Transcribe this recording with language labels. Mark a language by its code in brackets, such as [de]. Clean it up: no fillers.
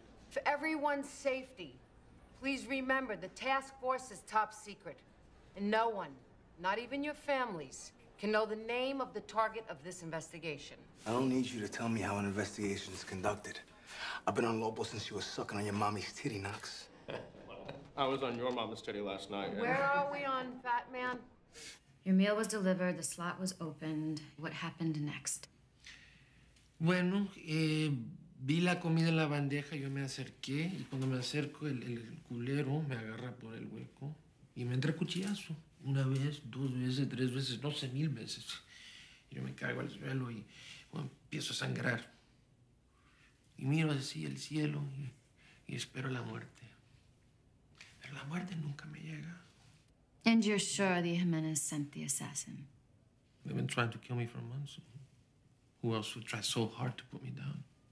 [en] For everyone's safety, please remember the task force is top secret, and no one, not even your families, can know the name of the target of this investigation. I don't need you to tell me how an investigation is conducted. I've been on Lobo since you were sucking on your mommy's titty, Knox. I was on your mama's titty last night. Where are we on, fat man? Your meal was delivered, the slot was opened. What happened next? [es] Bueno, vi la comida en la bandeja, yo me acerqué, y cuando me acerco, el culero me agarra por el hueco y me entra cuchillazo. Una vez, dos veces, tres veces, no sé, mil veces. Y yo me caigo al suelo y bueno, empiezo a sangrar. Y miro así el cielo y espero la muerte. Pero la muerte nunca me llega. [en] And you're sure the Jimenez sent the assassin? They've been trying to kill me for months. Who else would try so hard to put me down?